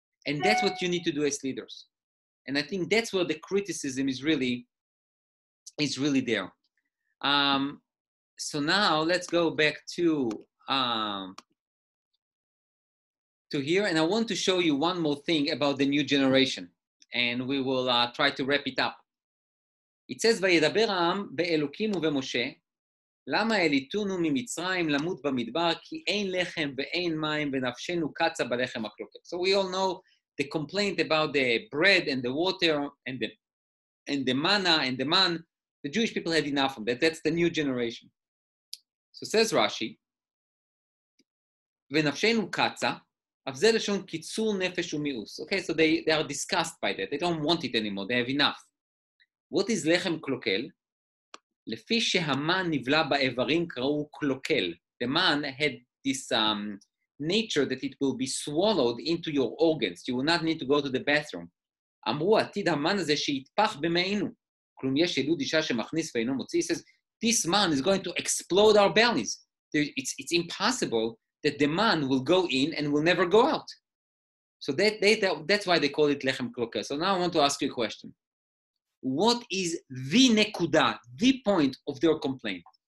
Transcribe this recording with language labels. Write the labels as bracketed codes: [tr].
[en] And that's what you need to do as leaders. And I think that's where the criticism is really there. So now let's go back to here. And I want to show you one more thing about the new generation. And we will try to wrap it up. It says, [he] וידבר העם באלוקים ובמשה, למה אליתונו ממצרים למות במדבר, כי אין לחם ואין מים ונפשנו קצה בלחם הקלוקת. [en] So we all know the complaint about the bread and the water and the manna and the man. The Jewish people had enough of that. That's the new generation. So says Rashi, [he] ונפשנו קצה, אף זה לשון קיצור נפש ומיאוס. [en] Okay, so they are disgusted by that. They don't want it anymore. They have enough. What is lechem klokel? [he] לפי שהמן נבלה באיברים קראו קלוקל. [en] The man had this nature that it will be swallowed into your organs. You will not need to go to the bathroom. [he] אמרו, עתיד המן הזה שיתפח במעינו. כלום יש ילוד אישה שמכניס ואינו מוציא. [en] He says, this man is going to explode our bellies. It's impossible that the man will go in and will never go out. So that's why they call it lechem klokel. So now I want to ask you a question. What is the nekuda, the point of their complaint?